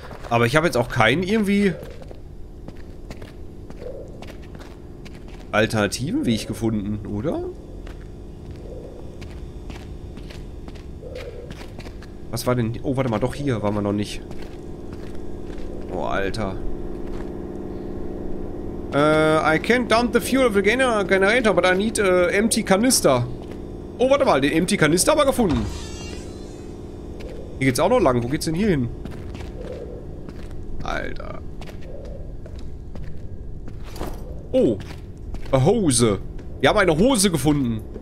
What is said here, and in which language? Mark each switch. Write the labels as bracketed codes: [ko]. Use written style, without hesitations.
[de] Aber ich habe jetzt auch keinen irgendwie alternativen Weg gefunden, oder? Was war denn? Oh, warte mal, doch hier waren wir noch nicht. Oh, Alter. [en] I can't dump the fuel of the generator, but I need a empty canister. [de] Oh, warte mal, den empty canister haben wir gefunden. Hier geht's auch noch lang. Wo geht's denn hier hin? Alter. [en] Oh. A Hose. [de] Wir haben eine Hose gefunden.